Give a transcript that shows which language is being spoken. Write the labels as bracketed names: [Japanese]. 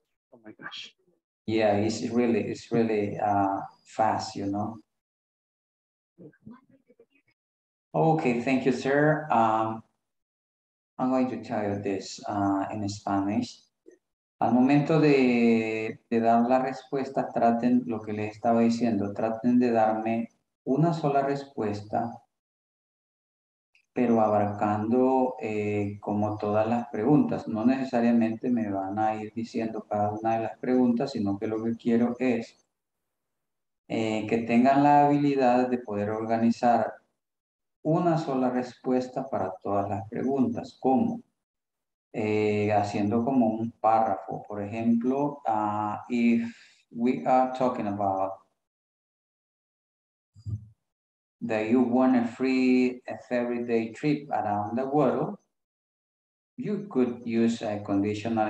[English] Oh my gosh. Yeah, it's really fast, you know. Okay, thank you, sir. I'm going to tell you this in Spanish. [Spanish] Al momento de dar la respuesta, traten lo que les estaba diciendo, traten de darme una sola respuesta, pero abarcando como todas las preguntas. No necesariamente me van a ir diciendo cada una de las preguntas, sino que lo que quiero es que tengan la habilidad de poder organizar una sola respuesta para todas las preguntas. ¿Cómo? Haciendo como un párrafo. [English] Por ejemplo, if we are talking about that you want a free everyday trip around the world, you could use a conditional.